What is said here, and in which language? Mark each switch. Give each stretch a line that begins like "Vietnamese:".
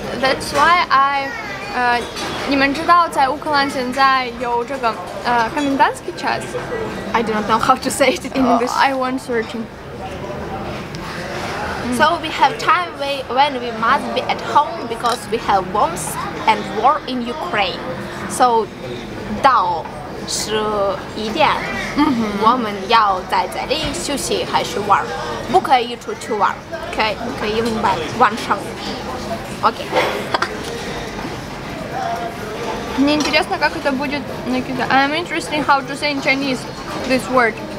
English: That's why I,
Chinese: 你们知道在乌克兰现在有这个Komendantsky Chess.
English: I do not know how to say it in English. I want searching. So we have time when we must be at home because we have bombs and war in Ukraine.
Chinese: So, 到十一点，我们要在这里休息还是玩？不可以出去玩。可以，你可以明白完成。OK。
Russian: Мне интересно, как это будет, Никита.
English: I'm interested in how to say in Chinese this word.